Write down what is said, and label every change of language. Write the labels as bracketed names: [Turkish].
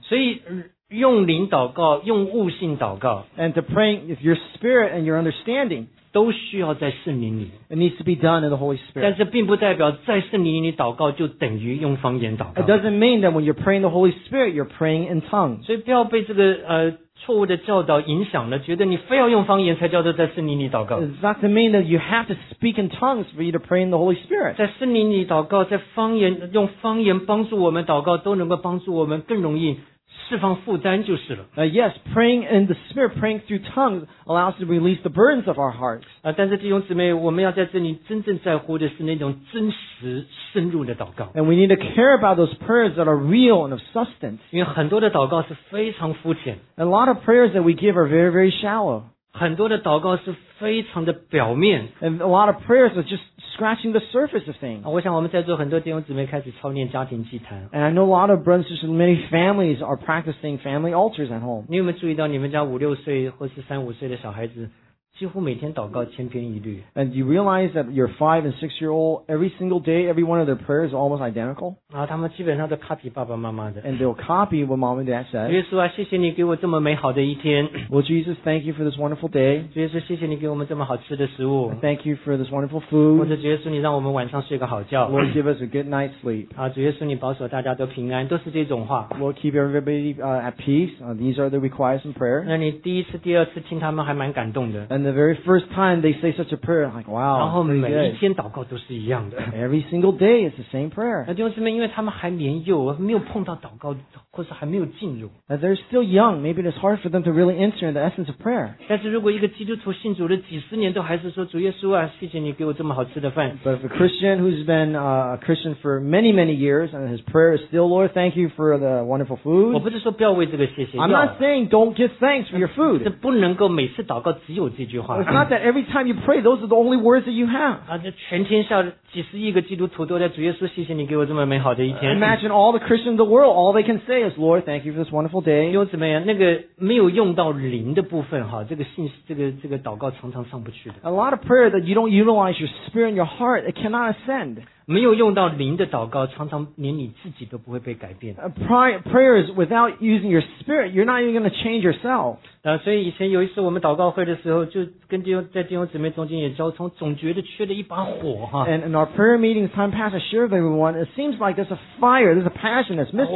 [Chinese] 所以用灵祷告用悟性祷告 [English] and to pray with your spirit and your understanding [Chinese] 都需要在圣灵里 [English] it needs to be done in the Holy Spirit [Chinese] 但是并不代表在圣灵里祷告就等于用方言祷告 [English] it doesn't mean that when you're praying the Holy Spirit you're praying in tongues [Chinese] 所以不要被这个错误的教导影响了觉得你非要用方言才叫做在圣灵里祷告 [English] it doesn't mean that you have to speak in tongues for you to pray in the Holy Spirit [Chinese] 在圣灵里祷告在方言用方言帮助我们祷告都能够帮助我们更容易释放负担就是了。 [English] Yes, praying in the spirit, praying through tongues allows to release the burdens of our hearts. [Chinese] 但是弟兄姊妹，我们要在这里真正在乎的是那种真实深入的祷告。 [English] And we need to care about those prayers that are real and of substance. [Chinese] 因为很多的祷告是非常肤浅。 [English] A lot of prayers that we give are very, very shallow. [Chinese] 很多的祷告是非常的表面。 [English] And a lot of prayers are just scratching the surface of things. [Chinese] 我想我们在座很多弟兄姊妹开始操练家庭祭坛。 [English] And I know a lot of brothers and many families are practicing family altars at home. [Chinese] 你有没有注意到你们家五六岁或是三五岁的小孩子几乎每天祷告千篇一律。 [English] And you realize that your 5 and 6 year old, every single day, every one of their prayers is almost identical? [Chinese] 啊他们基本上都 copy 爸爸妈妈的。 [English] And they'll copy what mom and dad said. [Chinese] 耶稣啊谢谢你给我这么美好的一天。 [English] Well, Jesus, thank you for this wonderful day. [Chinese] 主耶稣谢谢你给我们这么好吃的食物。 [English] Thank you for this wonderful food. [Chinese] 或者主耶稣你让我们晚上睡个好觉。 [English] Lord, give us a good night's sleep. [Chinese] 啊主耶稣你保守大家都平安都是这种话。 [English] Lord, keep everybody at peace. These are the requires in prayer. [Chinese] 那你第一次第二次听他们还蛮感动的。 [English] The very first time they say such a prayer, I'm like, wow. [Chinese] 然后每一天祷告都是一样的。 [English] Every single day is the same prayer. [Chinese] 那弟兄姊妹，因为他们还年幼，没有碰到祷告，或是还没有进入。 [English] Now, they're still young. Maybe it's hard for them to really enter in the essence of prayer. [Chinese] 但是如果一个基督徒信主了几十年，都还是说主耶稣啊，谢谢你给我这么好吃的饭。 [English] But if a Christian who's been a Christian for many, many years and his prayer is still, Lord, thank you for the wonderful food. [Chinese] 我不是说不要为这个谢谢。 [English] I'm not saying don't give thanks for your food. [Chinese] 这不能够每次祷告只有这句。 [English] It's not that every time you pray, those are the only words that you have. [Chinese] 啊，这全天下几十亿个基督徒都在主耶稣，谢谢你给我这么美好的一天。 [English] Imagine all the Christians in the world, all they can say is, Lord, thank you for this wonderful day. [Chinese] 弟兄姊妹啊，那个没有用到灵的部分哈，这个信息，这个祷告常常上不去的。 [English] A lot of prayer that you don't utilize your spirit and your heart, it cannot ascend. [Chinese] 没有用到灵的祷告，常常连你自己都不会被改变。 [English] Prayers without using your spirit, you're not even going to change yourself. [Chinese] 所以以前有一次我们祷告会的时候，就跟弟兄姊妹中间也交通，总觉得缺了一把火哈。 [English] And in our prayer meetings, time passed, I shared with everyone. It seems like there's a fire, there's a passion that's missing.